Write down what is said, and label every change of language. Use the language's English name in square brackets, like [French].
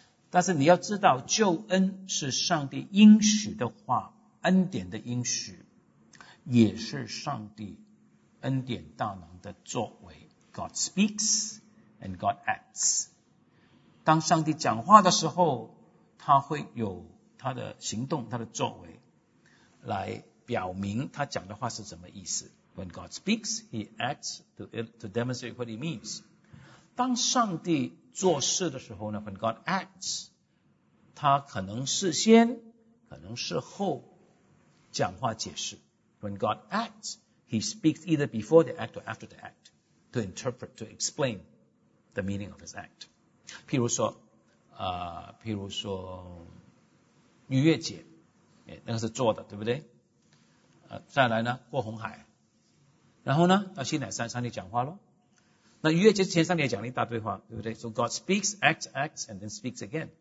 [Chinese] 但是你要知道，救恩是上帝应许的话，恩典的应许，也是上帝恩典大能的作为。 [English] God speaks and God acts。 [Chinese] 当上帝讲话的时候，他会有他的行动，他的作为来表明他讲的话是什么意思。 [English] When God speaks, He acts to demonstrate what He means。 [Chinese] 当上帝做事的时候呢， [English] When God acts, [Chinese] 他可能事先可能事后讲话解释。 [English] When God acts, He speaks either before the act or after the act to interpret, to explain the meaning of His act。 [Chinese] 譬如说逾越节，那个是做的，对不对？再来呢，过红海，然后呢，到西乃山，上帝讲话咯。那逾越节前上帝也讲了一大堆话，对不对？ [English] So God speaks, acts, acts, and then speaks again。